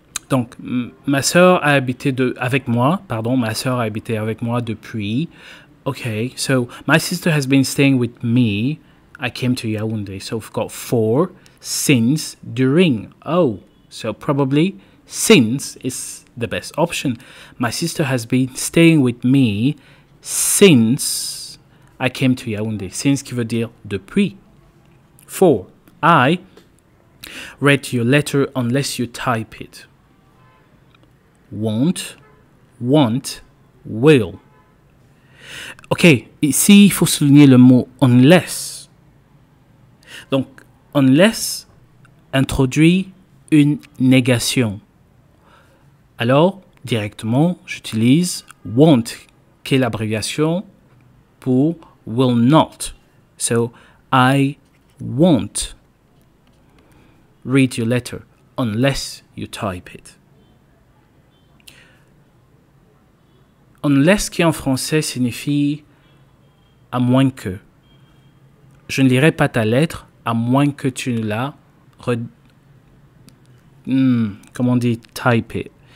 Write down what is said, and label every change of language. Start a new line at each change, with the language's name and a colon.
French: Donc, ma sœur a habité avec moi depuis.
English: Okay, so my sister has been staying with me. I came to Yaoundé. So we've got for, since, during. Oh, so probably since is the best option. My sister has been staying with me since I came to Yaoundé.
French: Since qui veut dire depuis.
English: 4. I read your letter unless you type it. Won't, want, will.
French: Ok, ici il faut souligner le mot unless. Donc, unless introduit une négation. Alors, directement, j'utilise won't, qui est l'abréviation pour will not.
English: So, I won't read your letter unless you type it.
French: Unless qui en français signifie à moins que. Je ne lirai pas ta lettre à moins que tu ne la
English: type it.